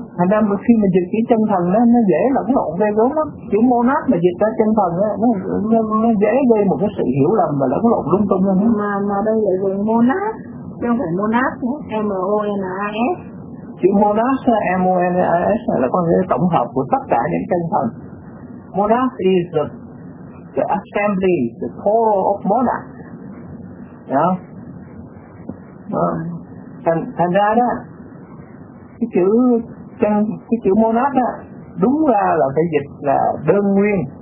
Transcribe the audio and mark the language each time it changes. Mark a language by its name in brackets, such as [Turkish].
[Vietnamese] Thành ra khi mình dịch cái chân thần đó, nó dễ lẫn lộn ghê gớm lắm. Chữ Monad mà dịch ra chân thần đó, nó dễ gây một cái sự hiểu lầm và lẫn lộn lung tung lắm. Mà đây là dùng Monad không phải Monad, M-O-N-A-S. Chữ Monad, M-O-N-A-S là con người tổng hợp của tất cả những chân thần. [English] Monad is the assembly, the total of Monad. [Vietnamese] Thành ra đó, cái chữ Monad đó, đúng ra là phải dịch là đơn nguyên.